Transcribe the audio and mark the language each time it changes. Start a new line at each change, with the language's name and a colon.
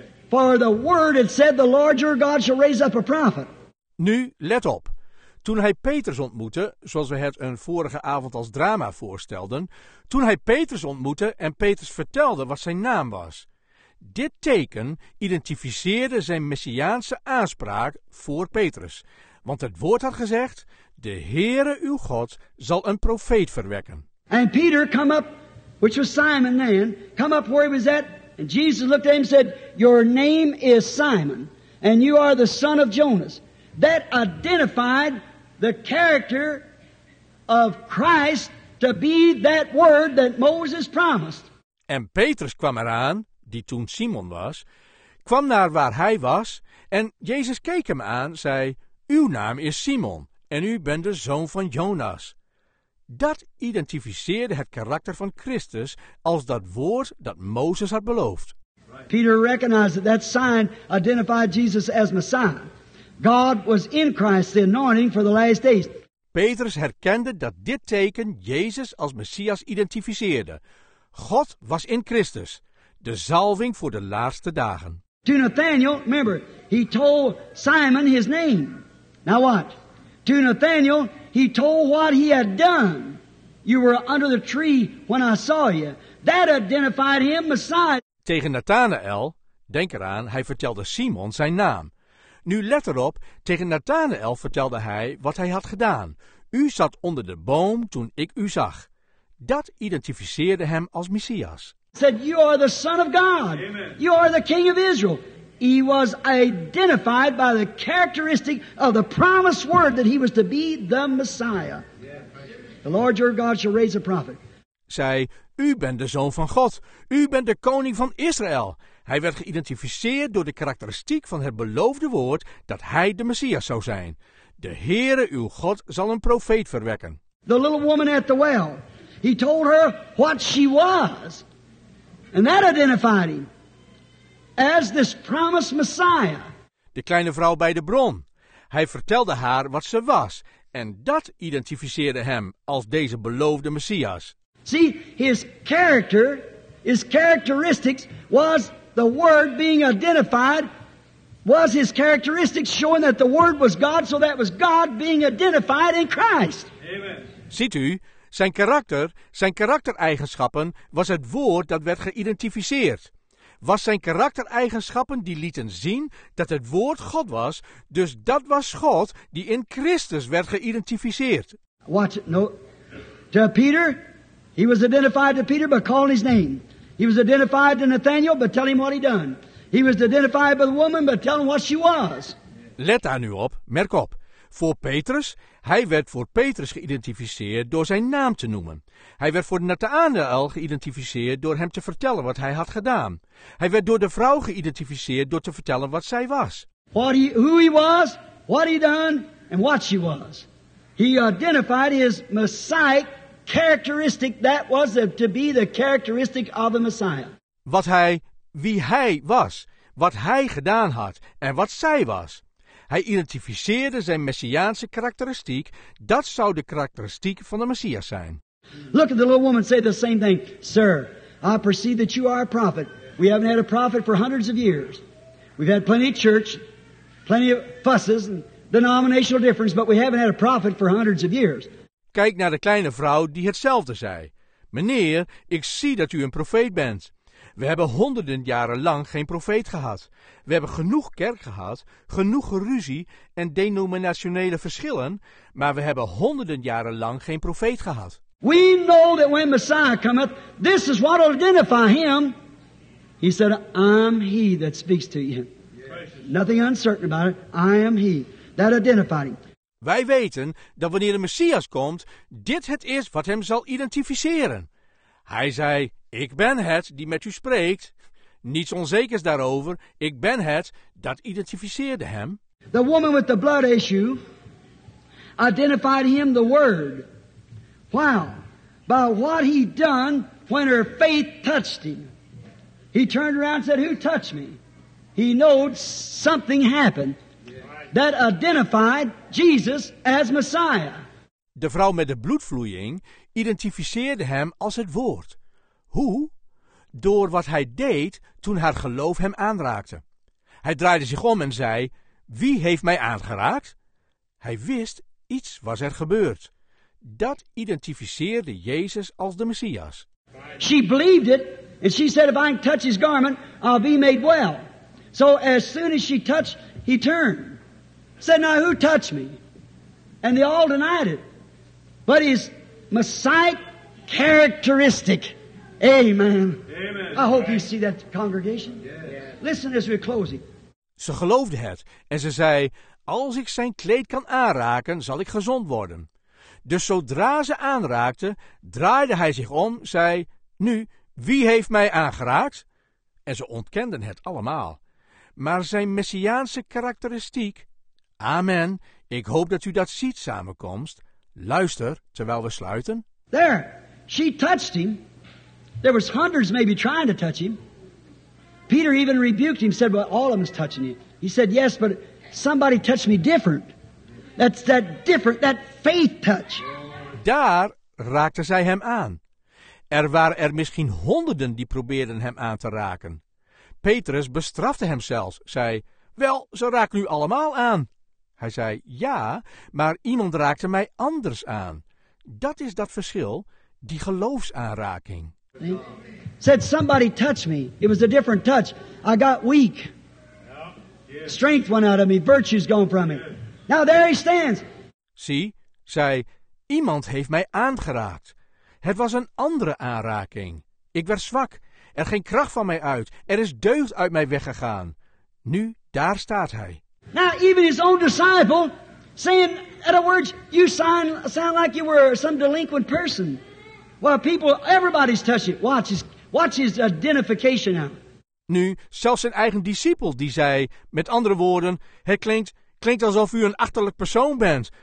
English: For the word had said, the Lord your God shall raise up a prophet.
Dutch: Nu let op. Toen hij Petrus ontmoette, zoals we het een vorige avond als drama voorstelden, toen hij Petrus ontmoette en Petrus vertelde wat zijn naam was. Dit teken identificeerde zijn messiaanse aanspraak voor Petrus. Want het woord had gezegd, de Heere uw God zal een profeet verwekken.
English: And Peter come up, which was Simon then, come up where he was at, and Jesus looked at him and said, your name is Simon, and you are the son of Jonas. That identified the character of Christ to be that word that Moses promised.
Dutch: En Petrus kwam eraan, die toen Simon was, kwam naar waar hij was en Jezus keek hem aan, zei, uw naam is Simon en u bent de zoon van Jonas. Dat identificeerde het karakter van Christus als dat woord dat Mozes had beloofd.
English: Peter recognized that sign identified Jesus as Messiah. God was in Christ, the anointing for the last days.
Dutch: Petrus herkende dat dit teken Jezus als Messias identificeerde. God was in Christus, de zalving voor de laatste dagen.
English: To Nathanael, remember, he told Simon his name. Now what? To Nathanael, he told what he had done. You were under the tree when I saw you. That identified him, Messiah.
Dutch: Tegen Nathanael, denk eraan, hij vertelde Simon zijn naam. Nu let erop, tegen Nathanael vertelde hij wat hij had gedaan. U zat onder de boom toen ik u zag. Dat identificeerde hem als Messias.
English: Said, you are the son of God. Amen. You are the king of Israel. He was identified by the characteristic of the promised word that he was to be the Messiah. The Lord your God shall raise a prophet.
Dutch: Zij, u bent de zoon van God. U bent de koning van Israël. Hij werd geïdentificeerd door de karakteristiek van het beloofde woord dat hij de Messias zou zijn. De Heere uw God zal een profeet verwekken.
English: The little woman at the well. He told her what she was. And that identified him as this promised Messiah.
Dutch: De kleine vrouw bij de bron. Hij vertelde haar wat ze was. En dat identificeerde hem als deze beloofde Messias.
English: See, his character, his characteristics was... The word being identified was his characteristics, showing that the word was God, so that was God being identified in Christ. Amen.
Dutch: Ziet u, zijn karaktereigenschappen was het woord dat werd geïdentificeerd. Was zijn karaktereigenschappen die lieten zien dat het woord God was, dus dat was God die in Christus werd geïdentificeerd.
English: Watch it. No. To Peter, he was identified to Peter by calling his name. He was identified to Nathanael, but tell him what he done. He was identified by the woman, but tell him what she was.
Dutch: Let daar nu op, merk op. Voor Petrus, hij werd voor Petrus geïdentificeerd door zijn naam te noemen. Hij werd voor Nathanael geïdentificeerd door hem te vertellen wat hij had gedaan. Hij werd door de vrouw geïdentificeerd door te vertellen wat zij was.
English: Who he was, what he done, and what she was. He identified his Messiah. Characteristic that was to be the characteristic of the Messiah.
Dutch: Wat hij, wie hij was, wat hij gedaan had en wat zij was. Hij identificeerde zijn messiaanse karakteristiek, dat zou de karakteristiek van de Messias zijn.
English: Look at the little woman say the same thing. Sir, I perceive that you are a prophet. We haven't had a prophet for hundreds of years. We've had plenty of church, plenty of fusses and denominational difference, but we haven't had a prophet for hundreds of years.
Dutch: Kijk naar de kleine vrouw die hetzelfde zei. Meneer, ik zie dat u een profeet bent. We hebben honderden jaren lang geen profeet gehad. We hebben genoeg kerk gehad, genoeg ruzie en denominationele verschillen, maar we hebben honderden jaren lang geen profeet gehad.
English: We know that when Messiah cometh, this is what will identify him. He said, I'm he that speaks to you. Yes. Nothing uncertain about it. I am he. That identified him.
Dutch: Wij weten dat wanneer de Messias komt, dit het is wat hem zal identificeren. Hij zei, ik ben het die met u spreekt. Niets onzekers daarover, ik ben het, dat identificeerde hem.
English: The woman with the blood issue identified him the word. Wow. By what he done when her faith touched him. He turned around and said, who touched me? He knowed something happened. That identified Jesus as Messiah.
Dutch: De vrouw met de bloedvloeiing identificeerde hem als het woord. Hoe? Door wat hij deed toen haar geloof hem aanraakte. Hij draaide zich om en zei, wie heeft mij aangeraakt? Hij wist, iets was er gebeurd. Dat identificeerde Jezus als de Messias.
English: She believed it, and she said, if I can touch his garment, I'll be made well. So as soon as she touched, he turned. Said, now who touched me? And they all denied it. But his Messiah characteristic. Amen. Amen. I hope you see that congregation. Yes. Listen as we're closing.
Dutch: Ze geloofde het en ze zei, als ik zijn kleed kan aanraken, zal ik gezond worden. Dus zodra ze aanraakte, draaide hij zich om, zei, nu, wie heeft mij aangeraakt? En ze ontkenden het allemaal. Maar zijn messiaanse karakteristiek, amen, ik hoop dat u dat ziet, samenkomst. Luister, terwijl we sluiten.
English: There, she touched him. There was hundreds maybe trying to touch him. Peter even rebuked him, said, well, all of them's touching you. He said, yes, but somebody touched me different. That's that different, that faith touch.
Dutch: Daar raakte zij hem aan. Er waren er misschien honderden die probeerden hem aan te raken. Petrus bestrafte hem zelfs, zei, wel, ze raken u allemaal aan. Hij zei, ja, maar iemand raakte mij anders aan. Dat is dat verschil, die geloofsaanraking.
English: He said, somebody touched me. It was a different touch. I got weak. Strength went out of me. Virtue's gone from me. Now there he stands.
Dutch: Zie, zei, iemand heeft mij aangeraakt. Het was een andere aanraking. Ik werd zwak. Er ging kracht van mij uit. Er is deugd uit mij weggegaan. Nu, daar staat hij.
English: Now even his own disciple saying, in other words, you sound like you were some delinquent person. Well, people, everybody's touching. Watch his identification now.
Dutch: Nu, zelfs zijn eigen discipel die zei, met andere woorden, het klinkt alsof u een achterlijk persoon bent.